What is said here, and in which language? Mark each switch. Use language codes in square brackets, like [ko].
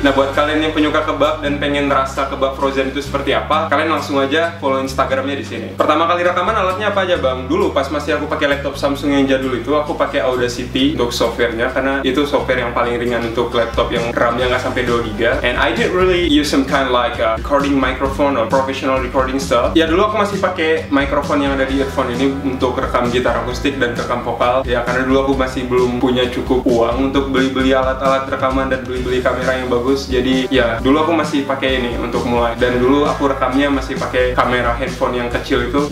[id] Nah, buat kalian yang penyuka kebab dan pengen rasa kebab frozen itu seperti apa, kalian langsung aja follow Instagramnya di sini. Pertama kali rekaman alatnya apa aja bang? Dulu pas masih aku pakai laptop Samsung yang jadul itu, aku pakai Audacity untuk softwarenya, karena itu software yang paling ringan untuk laptop yang RAM-nya nggak sampai 2 GB. [en] And I didn't really use some kind like a recording microphone or professional recording stuff. [id] Ya dulu aku masih pakai mikrofon yang ada di earphone ini untuk rekam gitar akustik dan rekam vokal. Ya karena dulu aku masih belum punya cukup uang untuk beli-beli alat-alat rekaman dan beli-beli kamera yang bagus. Jadi ya dulu aku masih pakai ini untuk mulai. Dan dulu aku rekamnya masih pakai kamera handphone yang kecil itu.